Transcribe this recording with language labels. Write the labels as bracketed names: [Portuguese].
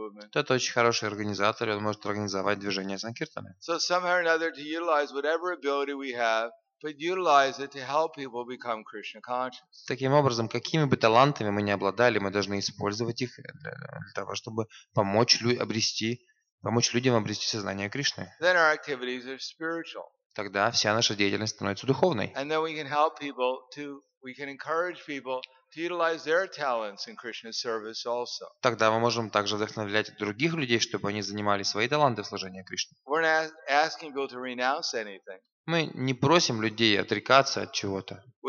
[Russian] Кто-то очень хороший организатор, и он может организовать движение санкиртаны. [English] So somehow or another to utilize whatever ability we have, but utilize it to help people become Krishna conscious. [Russian] Таким образом, какими бы талантами мы ни обладали, мы должны использовать их для того, чтобы помочь людям обрести сознание Кришны. [English] Then our activities are spiritual. [Russian] Тогда вся наша деятельность становится духовной. [English] And then we can encourage people to utilize their talents in Krishna's service also. [Russian] Тогда мы можем также вдохновлять других людей, чтобы они занимали свои таланты в служении Кришне. [English] We're not asking people to renounce anything. [Russian] Мы не просим людей отрекаться от чего-то.